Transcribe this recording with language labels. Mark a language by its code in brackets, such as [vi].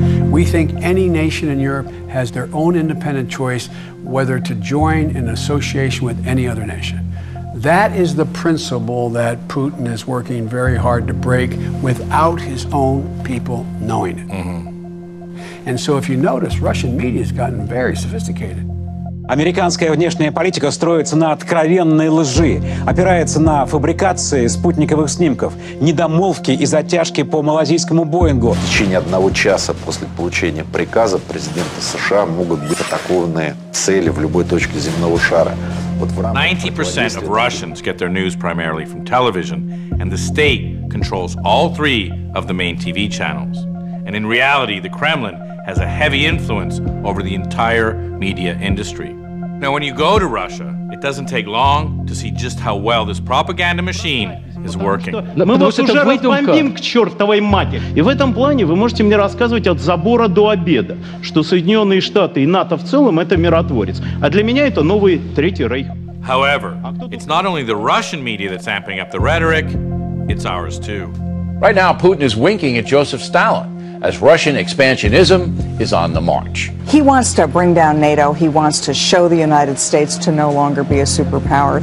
[en] We think any nation in Europe has their own independent choice whether to join in association with any other nation. That is the principle that Putin is working very hard to break without his own people knowing it. Mm-hmm. And so if you notice, Russian media has gotten very sophisticated. [ru] Американская внешняя политика строится на откровенной лжи, опирается на фабрикации спутниковых снимков, недомолвки и затяжки по малазийскому Боингу. В течение одного часа после получения приказа президента США могут быть атакованы цели в любой точке земного шара. [en] 90% of Russians get their news primarily from television, and the state controls all three of the main TV channels. And in reality, the Kremlin has a heavy influence over the entire media industry. Now, when you go to Russia, it doesn't take long to see just how well this propaganda machine is working. [ru] Мы вас уже разбомбим к чертовой матери. И в этом плане вы можете мне рассказывать от забора до обеда, что Соединенные Штаты и НАТО в целом это миротворец. А для меня это новый Третий Рейх. [en] However, it's not only the Russian media that's amping up the rhetoric, it's ours too. Right now, Putin is winking at Joseph Stalin, as Russian expansionism is on the march. He wants to bring down NATO. He wants to show the United States to no longer be a superpower.